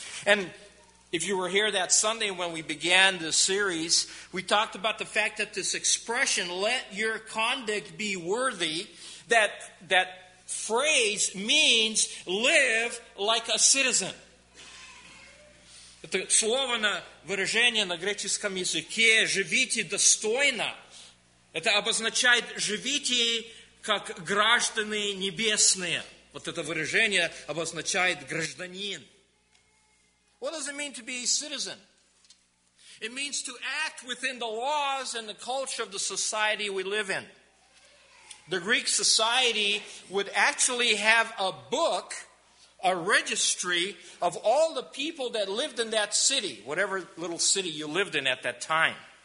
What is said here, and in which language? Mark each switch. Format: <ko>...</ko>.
<en>And if you were here that Sunday when we began this series, we talked about the fact that this expression, let your conduct be worthy, that phrase means live like a citizen.</en> <ru>Это слово на выражение на греческом языке, живите достойно. Это обозначает живите как граждане небесные. Вот это выражение обозначает гражданин.</ru> <en>What does it mean to be a citizen? It means to act within the laws and the culture of the society we live in. The Greek society would actually have a book, a registry of all the people that lived in that city, whatever little city you lived in at that time.</en>